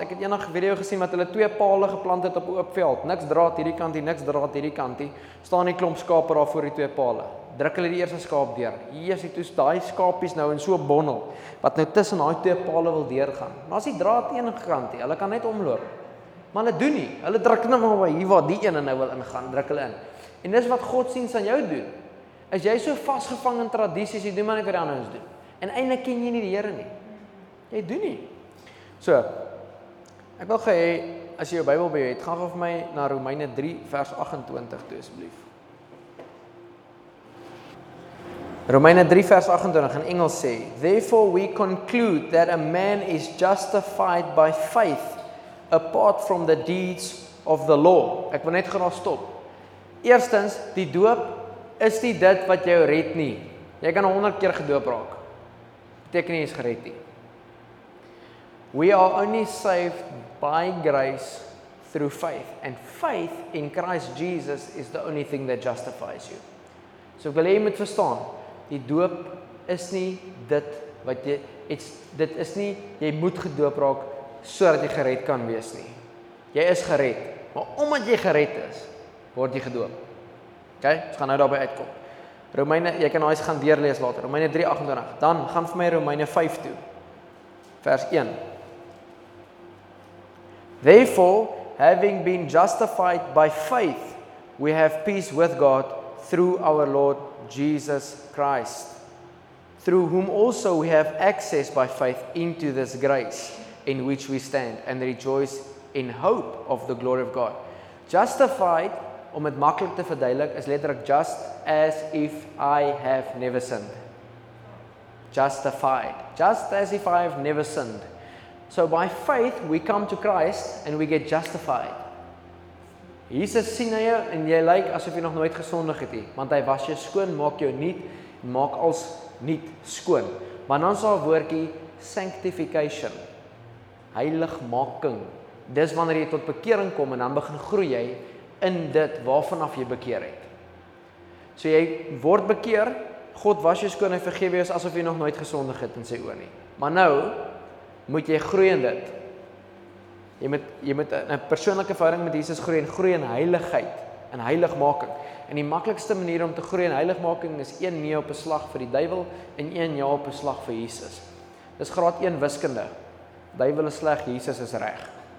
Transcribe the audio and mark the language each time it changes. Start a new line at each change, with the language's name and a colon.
Afrikaans: Ek het eendag 'n video gesien wat hulle twee palle geplant het op 'n oop veld. Niks draad hierdie kant nie, niks draad hierdie kant nie. Staan 'n klomp skape daar voor die twee palle. Druk hulle die eerste skaap deur. Hier is dit hoe daai skapies nou in so 'n bondel wat nou tussen daai twee palle wil deurgaan. Maar as die draad een gekant het, hulle kan net omloop. Maar hulle doen nie. Hulle druk net maar hier waar die een nou wil ingaan, druk hulle in. En dis wat godsdienst aan jou doen. As jy so vasgevang in tradisies, jy doen maar net wat die ander ons doen. En eintlik ken jy nie die Here nie. Jy doen nie. So, ek wil gee, as jy jou Bybel by jou het, gaan vir my na Romeine 3 vers 28 toe asseblief. Romeine 3 vers 28 in Engels sê:
English: "Therefore we conclude that a man is justified by faith apart from the deeds of the law."
Afrikaans: Ek wil net graag stop. Eerstens, die doop is nie dit wat jou red nie. Jy kan 100 keer gedoop raak. Beteken nie jy is gered nie.
English: We are only saved by grace through faith. And faith in Christ Jesus is the only thing that justifies you.
Afrikaans: So ek wil jy moet verstaan, die doop is nie dit wat jy, dit is nie, jy moet gedoop raak sodat jy gered kan wees nie. Jy is gered, maar omdat jy gered is, word jy gedoop. OK, ons gaan nou daarby uitkom. Romeine, jy kan alles gaan deurlees later. Romeine 3, 28. Dan gaan vir my Romeine 5 toe. Vers 1.
English: "Therefore, having been justified by faith, we have peace with God through our Lord Jesus Christ, through whom also we have access by faith into this grace in which we stand and rejoice in hope of the glory of God." Justified,
Afrikaans: om het makkelijk te verduidelik, is letterlijk
English: just as if I have never sinned. Justified. Just as if I have never sinned. So by faith, we come to Christ and we get justified.
Afrikaans: Jesus sien na jou en jy lyk asof jy nog nooit gesondig het nie, want hy was jou skoon, maak jou niet, maak als niet skoon. Maar dan sal woordjie sanctification, heiligmaking. Dis wanneer jy tot bekering kom en dan begin groei jy in dit waarvan af jy bekeer het. So jy word bekeer, God was jou skoon, hy vergewe jou asof jy nog nooit gesondig het in sy oë nie. Maar nou moet jy groei in dit. Jy moet 'n persoonlike verhouding met Jesus groei en groei in heiligheid en heiligmaking. En die maklikste manier om te groei in heiligmaking is een nee op 'n slag vir die duiwel en een ja op 'n slag vir Jesus. Dis graad 1 wiskunde. Duiwel is sleg, Jesus is reg.